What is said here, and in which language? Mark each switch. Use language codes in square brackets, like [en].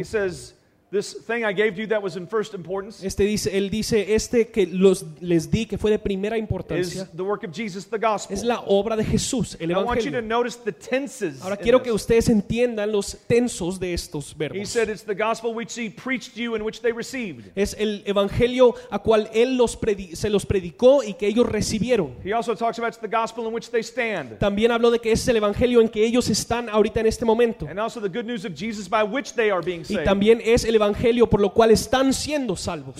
[en] he says, this thing I gave you that was in first importance. [es] Él dice este que les di que fue de primera importancia. [en] Is the work of Jesus, the gospel. [es] Es la obra de Jesús, el evangelio. [en] I want you to notice the tenses. [es] Ahora quiero que ustedes entiendan los tensos de estos verbos. [en] He said it's the gospel which he preached you and which they received. [es] Es el evangelio a cual él se los predicó y que ellos recibieron. [en] He also talks about it's the gospel in which they stand. [es] También habló de que es el evangelio en que ellos están ahorita en este momento. [en] And also the good news of Jesus by which they are being saved. [es] Y también es el evangelio por lo cual están siendo salvos.